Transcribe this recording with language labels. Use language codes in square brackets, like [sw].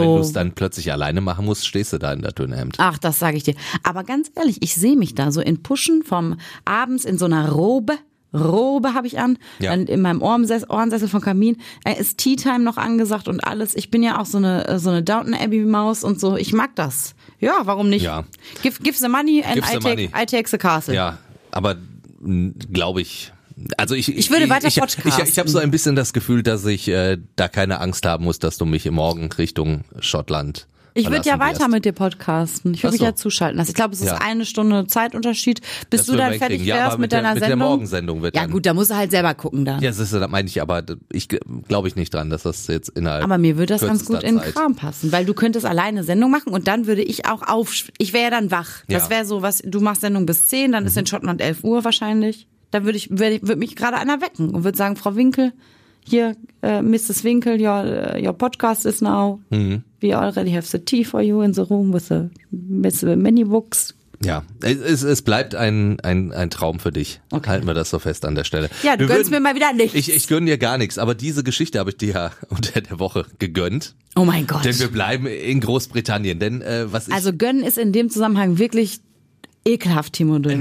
[de] wenn du es dann plötzlich alleine machen musst, stehst du da in der dünnen Hemd. Ach, das sage ich dir. Aber ganz ehrlich, ich sehe mich da so in Puschen vom abends in so einer Robe habe ich an, ja, dann in meinem Ohrensessel vom Kamin, ist Tea Time noch angesagt und alles. Ich bin ja auch so eine Downton Abbey Maus und so. Ich mag das. Ja, warum nicht? Ja. [en] Give the money and I take the castle. [de] Ja, aber glaube ich. Also ich würde weiter podcasten. Ich habe so ein bisschen das Gefühl, dass ich da keine Angst haben muss, dass du mich morgen Richtung Schottland. Ich würde ja weiter mit dir podcasten. Ich würde mich ja zuschalten lassen. Ich glaube, es ist eine Stunde Zeitunterschied, bis du dann fertig wärst mit deiner Sendung. Mit der Morgensendung wird dann. Ja gut, da musst du halt selber gucken dann. Ja, siehst du, das meine ich, aber ich glaube ich nicht dran, dass das jetzt innerhalb. Aber mir würde das ganz gut in den Kram passen, weil du könntest alleine Sendung machen und dann würde ich auch auf. Ich wäre ja dann wach. Das wäre so, was du machst Sendung bis 10, dann ist in Schottland 11 Uhr wahrscheinlich. Dann würde mich gerade einer wecken und würde sagen, Frau Winkel, hier, Mrs. [en] Winkel, your podcast is now. Mhm. We already have the tea for you in the room with the many books. [de] Ja, es bleibt ein Traum für dich. Okay. Halten wir das so fest an der Stelle. Ja, du gönnst mir mal wieder nichts. Ich gönne dir gar nichts, aber diese Geschichte habe ich dir ja unter der Woche gegönnt. Oh mein Gott. Denn wir bleiben in Großbritannien. Denn was ich, also gönnen ist in dem Zusammenhang wirklich ekelhaft, Timo Dünn.